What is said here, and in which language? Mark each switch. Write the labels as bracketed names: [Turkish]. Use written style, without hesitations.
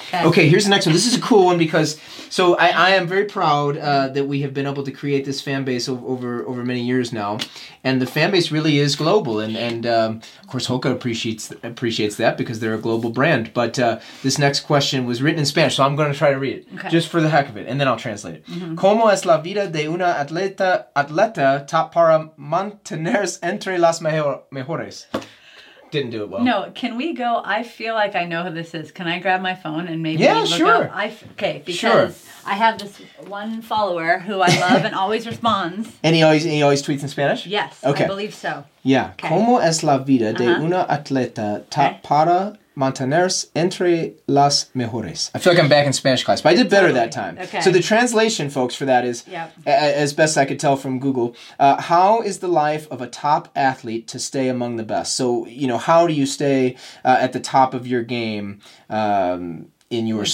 [English] Okay, here's the next one. This is a cool one because, so I am very proud that we have been able to create this fan base over many years now. And the fan base really is global. And of course, Hoka appreciates that because they're a global brand. But this next question was written in Spanish, so I'm going to try to read it. Okay. Just for the heck of it. And then I'll translate it. Mm-hmm. [Spanish] ¿Cómo es la vida de una atleta top para mantenerse entre las mejores? [English] Didn't do it well. No, can we go? I feel like I know who this is. Can I grab my phone and maybe yeah, look sure. up? I have this one follower who I love and always responds. And he always tweets in Spanish? Yes. Okay. I believe so. Yeah. Okay. [Spanish] ¿Cómo es la vida de una atleta para mantenerse entre las mejores? [English] I feel like I'm back in Spanish class, but I did better totally. That time. Okay. So the translation, folks, for that is, as best I could tell from Google, how is the life of a top athlete to stay among the best? So, you know, how do you stay at the top of your game in your